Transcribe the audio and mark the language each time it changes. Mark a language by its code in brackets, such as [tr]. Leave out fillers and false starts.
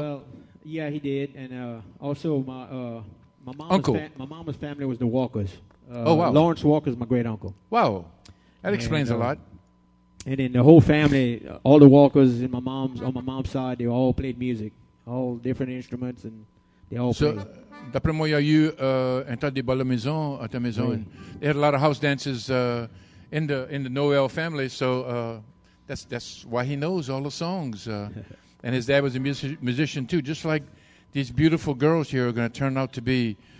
[en] Well, yeah, he did. And also, my mom's uncle. My mama's family was the Walkers. Oh, wow. Lawrence Walker is my great uncle. Wow. That explains a lot. And then the whole family, all the Walkers and my mom's on my mom's side, they all played music, all different instruments, and they all played. [fr] So, d'après moi, il y a eu un tas de balles à ta maison. Oui. [en] They had a lot of house dances in the Noel family, so that's why he knows all the songs. and his dad was a musician, too, just like these beautiful girls here are going to turn out to be.